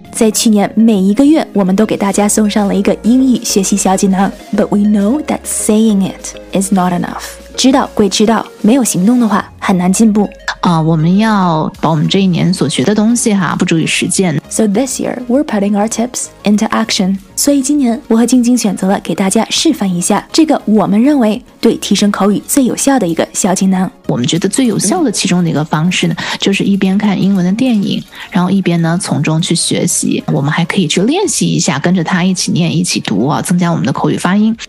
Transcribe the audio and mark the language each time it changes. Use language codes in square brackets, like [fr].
[zh] 在去年每一个月我们都给大家送上了一个英语学习小技能。 [en] But we know that saying it is not enough. [zh] 知道归知道，没有行动的话很难进步。我们要把我们这一年所学的东西哈，付诸于实践。 [en] So this year, we're putting our tips into action. [zh] 所以今年我和晶晶选择了给大家示范一下这个我们认为对提升口语最有效的一个小技能。我们觉得最有效的其中的一个方式呢，就是一边看英文的电影，然后一边呢从中去学习。我们还可以去练习一下，跟着他一起念，一起读啊，增加我们的口语发音。